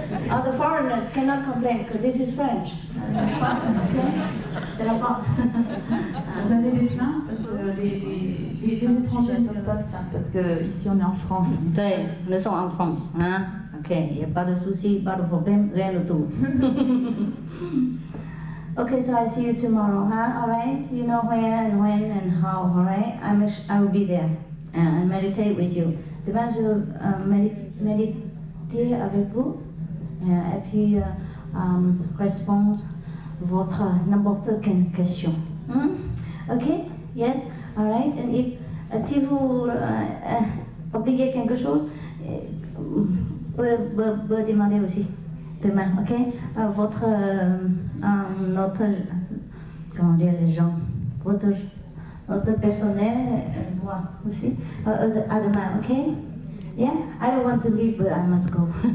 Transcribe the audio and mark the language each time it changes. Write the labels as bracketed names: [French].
[English] All the foreigners cannot complain because this is French. [French] C'est la France. Vous avez vu ça? Les étrangers ne peuvent pas, parce que ici on est en France. Oui, nous sommes en France. Hein? Ok, il n'y a pas de souci, pas de problème, rien du tout. [English] Ok, so I see you tomorrow, huh? Alright? You know where and when and how, alright? I will be there and meditate with you. [French] Demain, je vais méditer avec vous. Et puis, réponse votre n'importe quelle question. Hmm? Ok? [English] Yes? All right? And if, [French] si vous oubliez quelque chose, vous demandez aussi demain, ok? Votre, notre, comment dire, les gens, votre personnel, moi aussi, à demain, ok? [English] Yeah, I don't want to leave, but I must go.